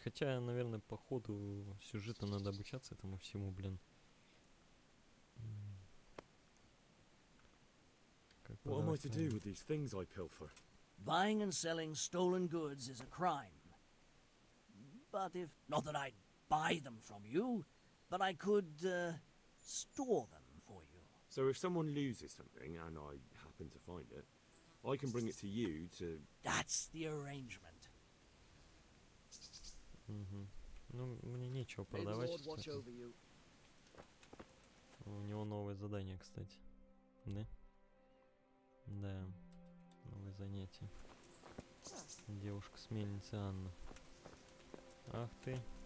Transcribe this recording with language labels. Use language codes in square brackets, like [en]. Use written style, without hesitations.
[ru] Хотя, наверное, по ходу сюжета надо обучаться этому всему, блин. [en] What am I to do with these things I pilfer? Buying and selling stolen goods is a crime. But if... Not that I'd buy them from you, but I could, store them for you. So if someone loses something, and I happen to find it, I can bring it to you to... That's the arrangement. Mm-hmm. [ru] Ну, мне нечего продавать, кстати. [en] May the Lord watch over you. [ru] У него новое задание, кстати. Да? Да. Новое занятие. Девушка с мельницы Анна. Ах ты.